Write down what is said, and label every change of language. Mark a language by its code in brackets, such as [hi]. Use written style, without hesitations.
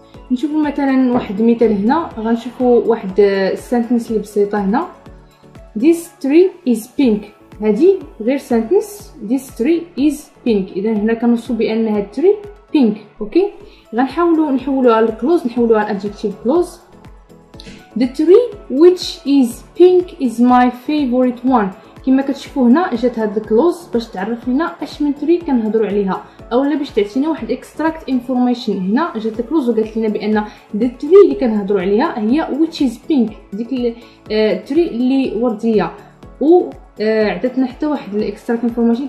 [ar] نشوفوا مثلا واحد مثال هنا، غنشوفوا واحد السنتنس اللي بسيطة هنا. [en] this tree is pink، [ar] هادي غير سنتنس، this tree is pink، اذا هنا كنصوا بان هاد [en] tree pink. [ar] اوكي، غنحاولوا نحولوها للكلوز، نحولوها للادجكتيف كلوز. [en] the tree which is pink is my favorite one. [ar] كما كتشوفوا هنا جات هاد الكلوز باش تعرف لنا اش من تري كنهضروا عليها، اولا باش تعطينا واحد اكستراكت انفورميشن. هنا جات الكلوز وقالت لنا بان the tree اللي كنهضروا عليها هي [en] which is pink، [ar] ديك التري اللي ورديه، و عطاتنا حتى واحد الاكستراكت انفورميشن.